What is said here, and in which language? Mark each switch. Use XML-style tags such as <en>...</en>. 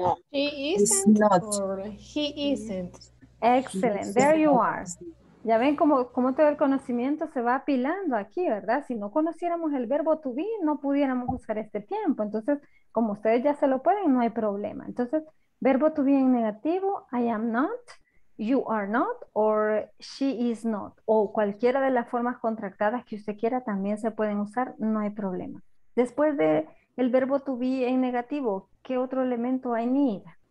<en>He isn't. Excellent. There you are.</en> <es>Ya ven cómo todo el conocimiento se va apilando aquí, ¿verdad? Si no conociéramos el verbo to be, no pudiéramos usar este tiempo. Entonces, como ustedes ya se lo pueden, no hay problema. Entonces, verbo to be en negativo,</es> <en>I am not, you are not, or she is not.</en> <es>O cualquiera de las formas contractadas que usted quiera también se pueden usar, no hay problema. Después del verbo to be en negativo, ¿qué otro elemento</es> <en>I need?</en>